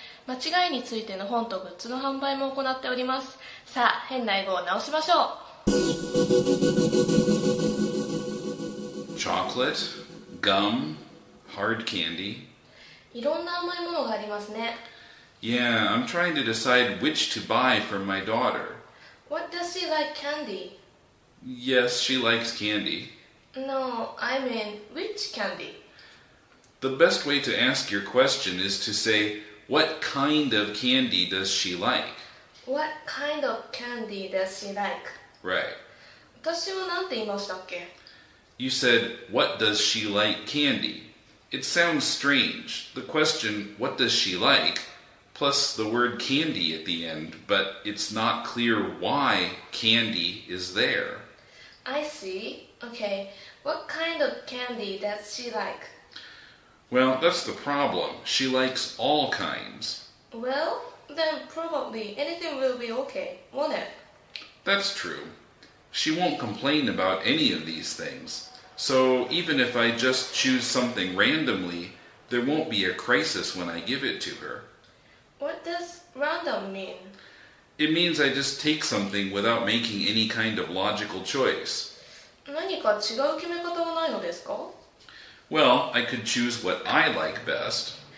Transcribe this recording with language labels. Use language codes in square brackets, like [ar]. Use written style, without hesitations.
[ja] 間違いについての本とグッズの販売も行っております。さあ、変な英語を直しましょう。 [en] Chocolate, gum, hard candy. [ja] いろんな甘いものがありますね。 [en] Yeah, I'm trying to decide which to buy for my daughter. What does she like candy? Yes, she likes candy. No, I mean, which candy? The best way to ask your question is to say, what kind of candy does she like? What kind of candy does she like? Right. [ja] 私は何て言いましたっけ? [en] You said, what does she like candy? It sounds strange. The question, what does she like? Plus the word candy at the end, but it's not clear why candy is there. I see. Okay, what kind of candy does she like? Well, that's the problem. She likes all kinds. Well, then probably anything will be okay, won't it? That's true. She won't complain about any of these things. So even if I just choose something randomly, there won't be a crisis when I give it to her. What does random mean? It means I just take something without making any kind of logical choice. [ja] 何か違う決め方はないのですか? [en] Well, I could choose what I like best.